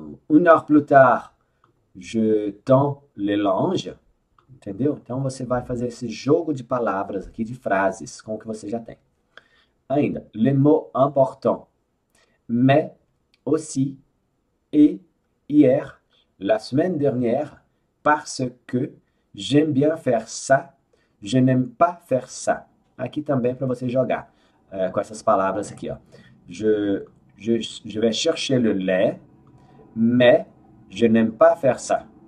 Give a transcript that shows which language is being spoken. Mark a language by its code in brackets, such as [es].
[fr] Une heure plus tard, je tends le linge. [pt] Entendeu? Então você vai fazer esse jogo de palavras aqui, de frases, com o que você já tem. [fr] Ainda, le mot important. Mais aussi et hier, la semaine dernière, parce que j'aime bien faire ça, je n'aime pas faire ça. [pt] Aqui também para você jogar com essas palavras aqui, ó. [fr] Je vais chercher le lait, mais je n'aime pas faire ça.